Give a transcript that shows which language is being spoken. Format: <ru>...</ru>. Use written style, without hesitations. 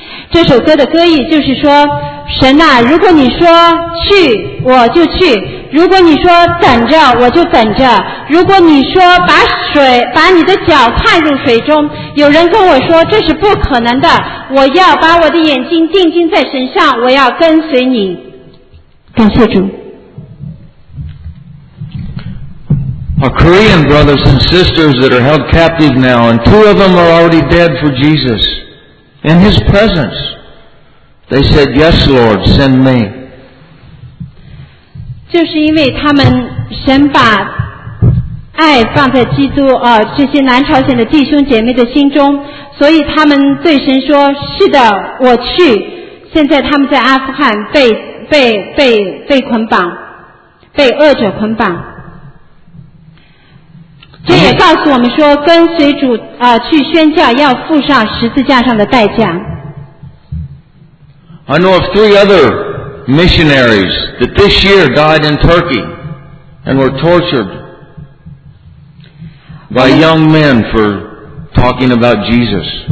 <zh>这首歌的歌意就是说，神啊，如果你说去我就去，如果你说等着我就等着，如果你说把你的脚踏入水中，有人跟我说这是不可能的，我要把我的眼睛定睛在神上，我要跟随你。感谢主。</zh> <en>Our Korean brothers and sisters that are held captive now, and two of them are already dead for Jesus. In His presence, they said, Yes, Lord, send me.</en> <zh>就是因为他们神把爱放在基督这些南朝鲜的弟兄姐妹的心中，所以他们对神说，是的，我去。现在他们在阿富汗被捆绑，被恶者捆绑。这也告诉我们说，跟随主去宣教要付上十字架上的代价。</zh> <en>I know of three other missionaries that this year died in Turkey and were tortured by young men for talking about Jesus.</en>